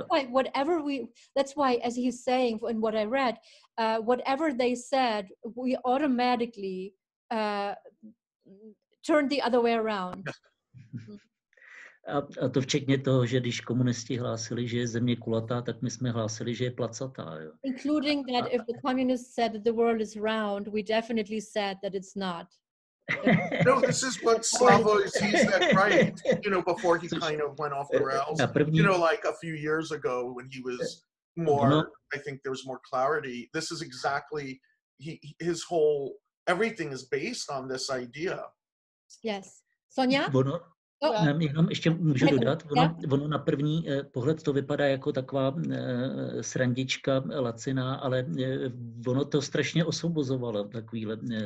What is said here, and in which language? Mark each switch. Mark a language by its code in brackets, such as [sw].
[en] Whatever we—that's why, as he's saying, and what I read, whatever they said, we automatically turned the other way around. [cs] A to včetně toho, že když komunisti hlásili, že je země kulatá, tak my jsme hlásili, že je placatá. Jo. [en] Including that if the communists said that the world is round, we definitely said that it's not. No, this is what Slavoj Žižek, right? You know, before he kind of went off the rails. [cs] První, [en] you know, like a few years ago when he was more, no. I think there was more clarity. This is exactly, his whole, everything is based on this idea. Yes. Sonia? Bono? Oh. [cs] Jenom ještě můžu dodat, ono na první pohled to vypadá jako taková srandička laciná, ale ono to strašně osvobozovalo takovýhle.